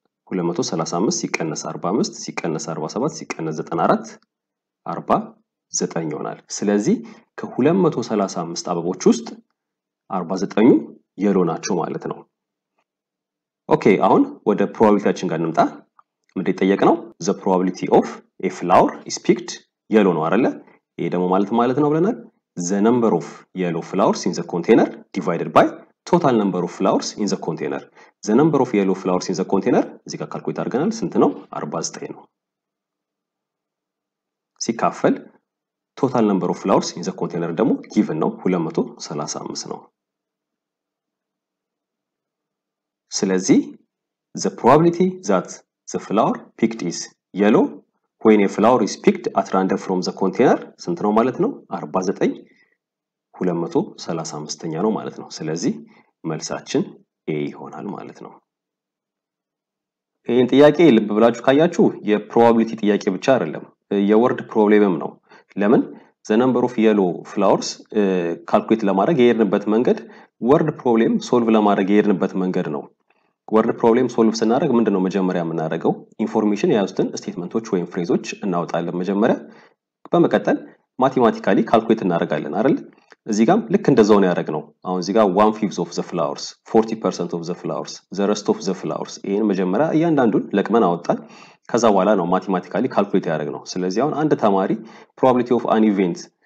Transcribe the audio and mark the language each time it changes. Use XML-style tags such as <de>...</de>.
<am>235 ሲቀነስ 45 ሲቀነስ 47 ሲቀነስ 94 49 ይሆናል። ስለዚህ ከ235 አበቦች ውስጥ 49ኙ የሎ ናቸው ማለት ነው። ኦኬ አሁን ወደ ፕሮባቢሊቲያችን ጋር እንምጣ። ምን እየጠየቀነው?</am> <en>the probability of a flower is picked yellow</en> <am>ነው አይደለ? ይሄ ደግሞ ማለት ነው ብለናል</am> <en>the number of yellow flowers in the container divided by total number of flowers in the container. the number of yellow flowers in the container</en> <am>እዚህ ጋር ካልኩሌት አድርገናል ስንት ነው? 49 ነው። ሲካፈል</am> <en>total number of flowers in the container</en> <am>ደግሞ</am> <en>given</en> <am>ነው 235 ነው። ስለዚህ</am> <en>the probability that the flower picked is yellow when a flower is picked at random from the container</en> <am>ስንት ነው ማለት ነው? 49 235ኛ ነው ማለት ነው። ስለዚህ መልሳችን A ይሆናል ማለት ነው። ይህን ጥያቄ ልብ ብላችሁ ካያችሁ የprobability ጥያቄ ብቻ አይደለም የword problemም ነው። ለምን?</am> <en>the number of yellow flowers calculate</en> <am>ለማድረግ የሄድንበት መንገድ</am> <en>word problem solve</en> <am>ለማድረግ የሄድንበት መንገድ ነው። word problem solve ስናደርግ ምንድነው መጀመሪያ የምናደርገው ኢንፎርሜሽን ያዩስተን ስቴትመንቶች ወይም ፍሬዞች እናወጣለን መጀመሪያ በመቀጠል ማቴማቲካሊ ካልኩሌት እናደርጋለን አይደል እዚህ ጋር ልክ እንደዛው ነው ያደረግነው አሁን እዚህ ጋር</am> <en>1/5 of the flowers</en> <am>40% of the flowers the rest of the flowers ይሄን መጀመሪያ እያንዳንዱን ለቅመን አወጣን ከዛ በኋላ ነው ማቴማቲካሊ ካልኩሌት ያደረግነው ስለዚህ አሁን አንድ ተማሪ</am> <en>probability of an event</en>